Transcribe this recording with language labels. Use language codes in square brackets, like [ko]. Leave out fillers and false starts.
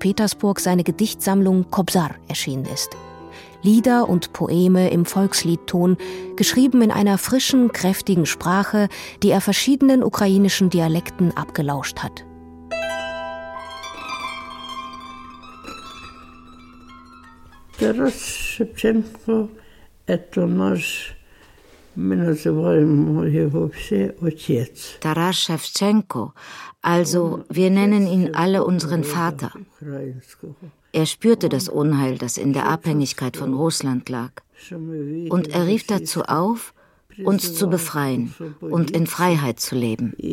[de] Petersburg seine Gedichtsammlung Kobzar erschienen ist. Lieder und Poeme im Volksliedton, geschrieben in einer frischen, kräftigen Sprache, die er verschiedenen ukrainischen Dialekten abgelauscht hat. [uk] Тарас Шевченко – это наш, ми називаємо його всі, отець. [de] Тарас Шевченко, also wir nennen ihn alle unseren Vater. Er spürte das Unheil, das in der Abhängigkeit von Russland lag. Und er rief dazu auf, uns zu befreien und in Freiheit zu leben.